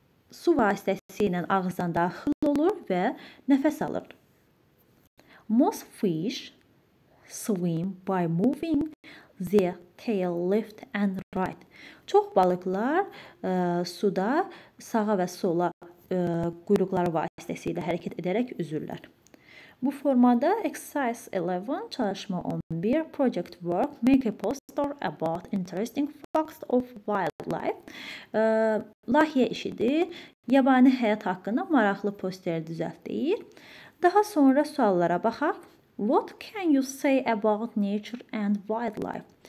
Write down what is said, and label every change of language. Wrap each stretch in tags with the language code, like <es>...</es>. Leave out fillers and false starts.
<az>Su vasitəsilə ağızdan daxil olur və nəfəs alır.</az> <en>Most fish swim by moving their tail left and right.</en> <az>Çox balıqlar suda sağa və sola quyruqları vasitəsilə hərəkət edərək üzürlər. Bu formada exercise 11, çalışma 11,</az> <en>project work, make a poster about interesting facts of wildlife.</en> <az>Layihə işidir, yabani həyat haqqında maraqlı posteri düzəltdir. Daha sonra suallara baxaq.</az> <en>What can you say about nature and wildlife?</en>